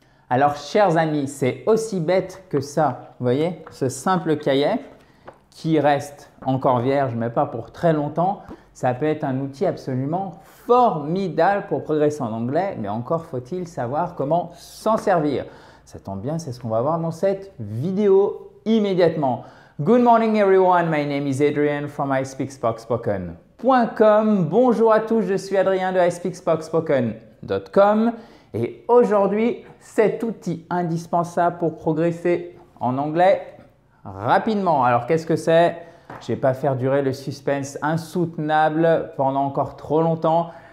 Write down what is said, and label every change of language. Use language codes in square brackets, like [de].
[fr] Alors, chers amis, c'est aussi bête que ça. Vous voyez, ce simple cahier qui reste encore vierge, mais pas pour très longtemps, ça peut être un outil absolument formidable pour progresser en anglais, mais encore faut-il savoir comment s'en servir. Ça tombe bien, c'est ce qu'on va voir dans cette vidéo immédiatement. [en] Good morning everyone, my name is Adrian from iSpeakSpokespoken.com. [fr] Bonjour à tous, je suis Adrien de iSpeakSpokespoken.com. Et aujourd'hui, cet outil indispensable pour progresser en anglais rapidement. Alors, qu'est-ce que c'est? Je ne vais pas faire durer le suspense insoutenable pendant encore trop longtemps.